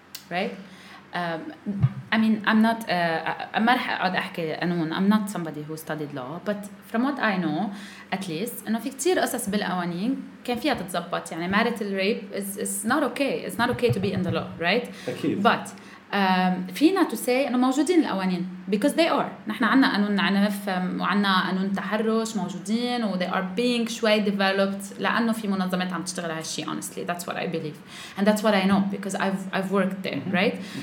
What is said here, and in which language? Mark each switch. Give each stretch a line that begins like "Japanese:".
English: Right? I mean, I'm not... I'm not somebody who studied law, but from what I know, at least,
Arabic: إنه في كتير قصص بالقوانين كان فيها تتزبط. يعني
English: marital rape is not okay. It's not okay to be in the law, right?
Arabic: أكيد.
English: But...
Arabic: فينا
English: to say
Arabic: إنه موجودين القوانين
English: because they are.
Arabic: نحن عنا قانون عنف وعنا قانون تحرش موجودين و
English: they are being
Arabic: شوي
English: developed
Arabic: لأنه في منظمات عم تشتغل على هالشي.
English: Honestly, that's what I believe and that's what I know because I've worked there, right?